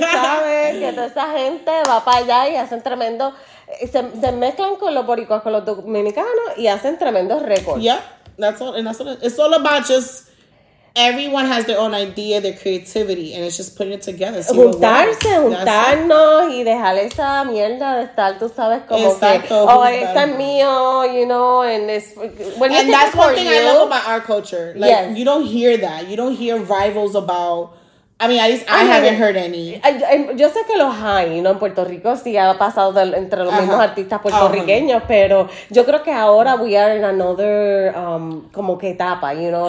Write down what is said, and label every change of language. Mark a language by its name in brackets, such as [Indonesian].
[Spanish] Tú sabes que toda esa gente va para allá y hacen tremendo... Se mezclan con los boricuas, con los dominicanos y hacen tremendos récords. [English] Yeah. It's all about everyone has their own idea, their creativity, and it's just putting it together. [Spanish] So juntarse, juntarnos, y dejar esa mierda de estar, tú sabes, como exacto, que, oh, este es mío, [English] you know, and that's one thing I love about our culture. Like, yes. You don't hear that. You don't hear rivals about... I mean, at least I haven't heard any. [Spanish] Yo sé que los hay, ¿no? En Puerto Rico sí ha pasado entre los mismos artistas puertorriqueños, pero yo creo que ahora [English] we are in another, [Spanish] como que etapa, [English] you know?